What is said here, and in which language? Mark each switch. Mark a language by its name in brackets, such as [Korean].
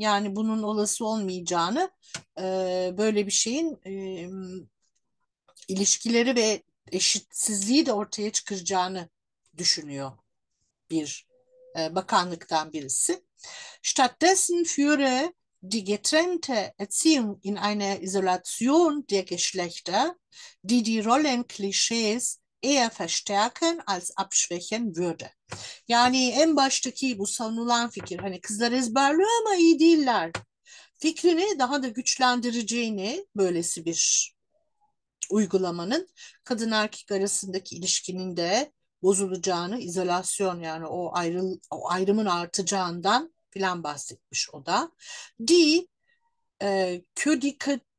[Turkish] Yani bunun olası olmayacağını, böyle bir şeyin ilişkileri ve eşitsizliği de ortaya çıkaracağını düşünüyor bir bakanlıktan birisi. [German] Stattdessen führe die getrennte Erziehung in eine Isolation der Geschlechter, die die Rollenklischees eher verstärken als abschwächen würde. [Turkish] Yani en baştaki bu savunulan fikir, hani kızlar ezberliyor ama iyi değiller fikrini daha da güçlendireceğini, böylesi bir uygulamanın kadın erkek arasındaki ilişkinin de bozulacağını, izolasyon yani o ayrımın artacağından filan bahsetmiş o da. [German] Die ködikative